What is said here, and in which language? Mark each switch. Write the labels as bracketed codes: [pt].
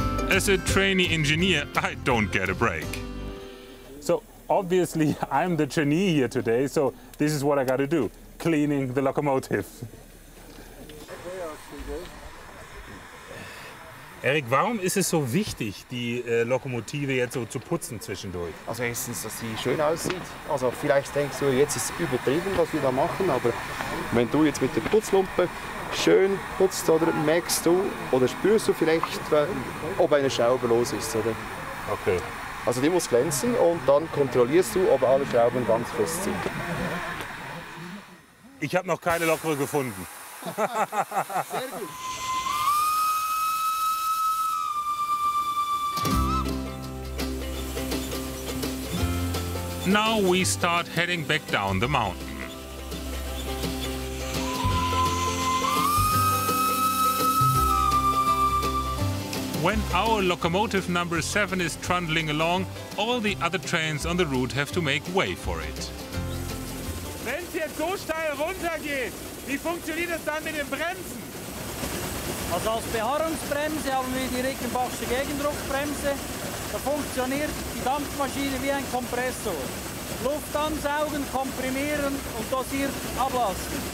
[en] As a trainee engineer, I don't get a break. So obviously I'm the trainee here today, so this is what I gotta do, cleaning the locomotive. [de] Erik, warum ist es so wichtig, die Lokomotive jetzt so zu putzen zwischendurch? Also erstens, dass sie schön aussieht. Also vielleicht denkst du, jetzt ist es übertrieben, was wir da machen, aber wenn du jetzt mit der Putzlumpe schön putzt, oder merkst du oder spürst du vielleicht, ob eine Schraube los ist, oder? Okay. Also die muss glänzen und dann kontrollierst du, ob alle Schrauben ganz fest sind. Ich habe noch keine Lokere gefunden. Sehr gut. [en] Now we start heading back down the mountain. When our locomotive number 7 is trundling along, all the other trains on the route have to make way for it. [de] Wenn's jetzt so steil runtergeht, wie funktioniert das dann mit den Bremsen? Also als Beharrungsbremse haben wir die Rickenbachsche Gegendruckbremse. Da funktioniert die Dampfmaschine wie ein Kompressor. Luft ansaugen, komprimieren und dosiert ablassen.